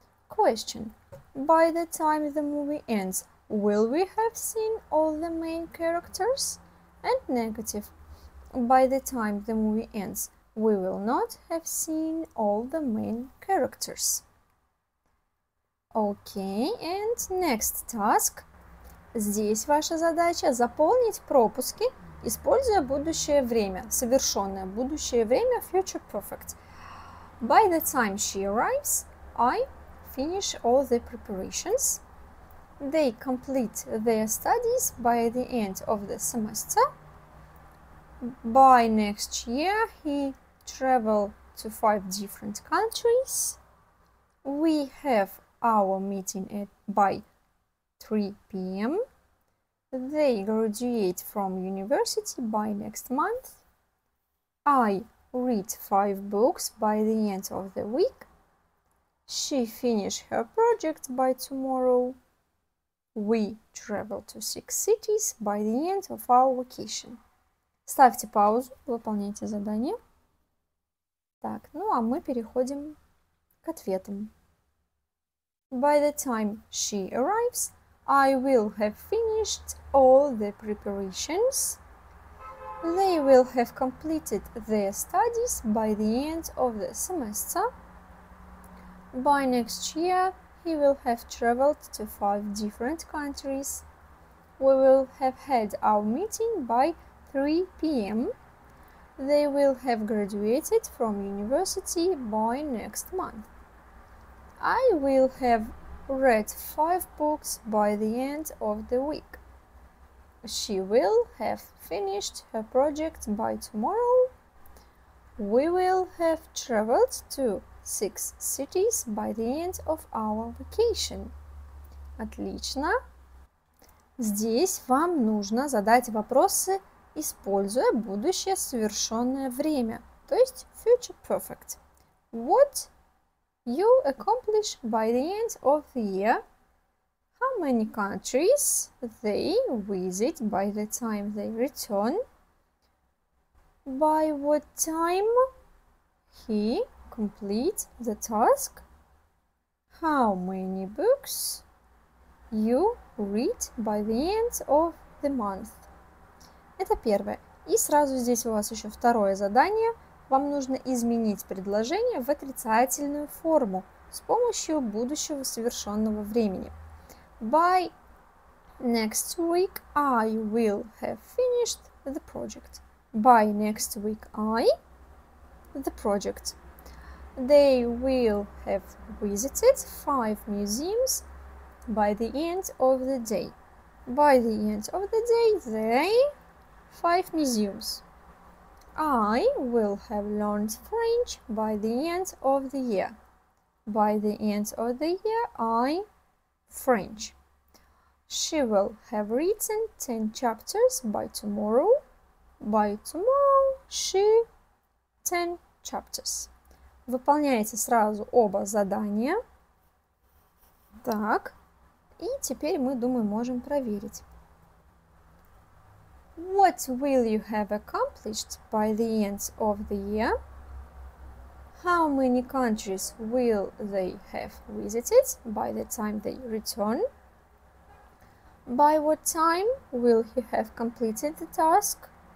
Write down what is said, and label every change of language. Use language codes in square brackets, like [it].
[en] Question: By the time the movie ends, will we have seen all the main characters? And negative: By the time the movie ends, we will not have seen all the main characters. Okay, and next task. [ru] Здесь ваша задача заполнить пропуски, используя будущее время, совершенное будущее время, future perfect. [en] By the time she arrives, I finish all the preparations. They complete their studies by the end of the semester. By next year, he travel to 5 different countries. We have our meeting by 3 p.m. They graduate from university by next month. I read 5 books by the end of the week. She finish her project by tomorrow. We travel to 6 cities by the end of our vacation. [ru] Ставьте паузу, выполняйте задание. Так, ну а мы переходим к ответам. [en] By the time she arrives, I will have finished all the preparations. They will have completed their studies by the end of the semester. By next year, he will have traveled to 5 different countries. We will have had our meeting by 3 p.m. They will have graduated from university by next month. I will have read 5 books by the end of the week. She will have finished her project by tomorrow. We will have traveled to 6 cities by the end of our vacation. [ru] Отлично! Здесь вам нужно задать вопросы, используя будущее совершенное время, то есть future perfect. [en] What you accomplish by the end of the year? How many countries they visit by the time they return? By what time he complete the task? How many books you read by the end of the month? [ru] Это первое. И сразу здесь у вас еще второе задание. Вам нужно изменить предложение в отрицательную форму с помощью будущего совершенного времени. [en] By next week I will have finished the project. By next week I the project. They will have visited 5 museums by the end of the day. By the end of the day, they 5 museums. I will have learned French by the end of the year. By the end of the year, I French. She will have written 10 chapters by tomorrow. By tomorrow, she 10 chapters. [ru] Выполняете сразу оба задания. Так, и теперь мы, думаю, можем проверить. [en] What will you have accomplished by the end of the year? How many countries will they have visited by the time they return? By what time will he have completed the task?